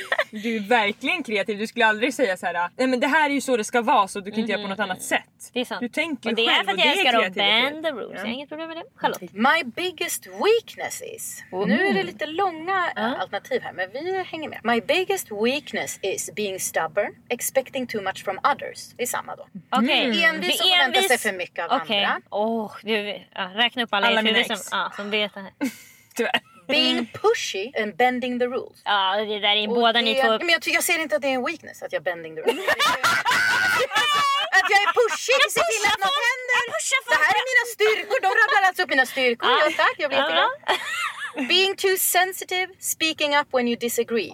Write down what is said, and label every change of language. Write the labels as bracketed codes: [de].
[sv] Du är verkligen kreativ. Du skulle aldrig säga så här. Nej, men det här är ju så det ska vara. Så du kan inte göra på något annat sätt. Det är sant. Du tänker själv. Och det är för att jag ska då [en] bend the rules. [sv] Jag har inget problem med det. Charlotte. [en] My biggest weakness is. [sv] Nu är det lite långa alternativ här, men vi hänger med. [en] My biggest weakness is being stubborn, expecting too much from others. [sv] Det är samma då. Okej. Envis som förväntar sig för mycket av andra. Okej. Räkna upp alla er som vet det här. Tyvärr. [en] Being pushy and bending the rules. [sv] Ja, det där är båda ni två. Men jag ser inte att det är en weakness att jag [en] bending the rules. [sv] Att jag är pushy, jag ser till att något händer. Det här är mina styrkor. De rabblar alltså upp mina styrkor. Ja, tack. Jag vet inte. [en] Being too sensitive, speaking up when you disagree.